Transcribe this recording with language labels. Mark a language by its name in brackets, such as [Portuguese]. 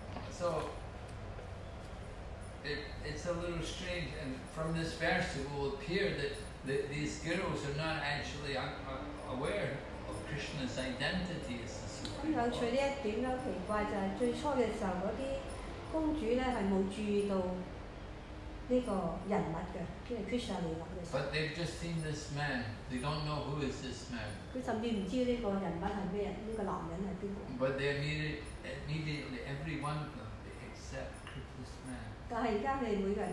[English] So, it's a little strange, and from this verse it will appear that these girls are not actually aware of Krishna's identity as the Supreme Lord. [Chinese] 有趣的一點奇怪就是最初的時候那些公主是沒有注意到 这个人物的, [English] but they've just seen this man. They don't know who is this man. But they immediately, every one of them, they accept this man.